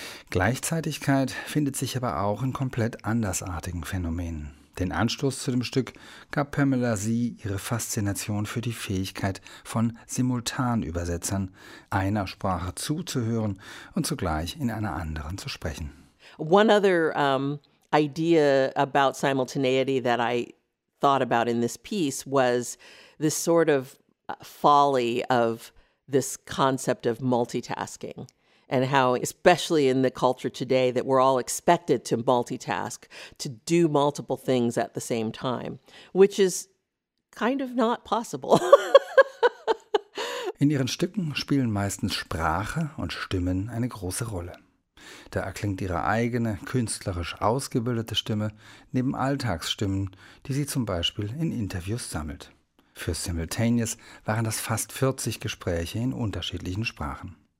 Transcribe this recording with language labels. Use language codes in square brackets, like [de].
[de] Gleichzeitigkeit findet sich aber auch in komplett andersartigen Phänomenen. Den Anstoß zu dem Stück gab Pamela Sea ihre Faszination für die Fähigkeit von Simultanübersetzern, einer Sprache zuzuhören und zugleich in einer anderen zu sprechen. [en] One other idea about simultaneity that I thought about in this piece was this sort of folly of this concept of multitasking. And how, especially in the culture today, that we're all expected to multitask, to do multiple things at the same time, which is kind of not possible. [de] In ihren Stücken spielen meistens Sprache und Stimmen eine große Rolle. Da erklingt ihre eigene, künstlerisch ausgebildete Stimme neben Alltagsstimmen, die sie zum Beispiel in Interviews sammelt. Für Simultaneous waren das fast 40 Gespräche in unterschiedlichen Sprachen.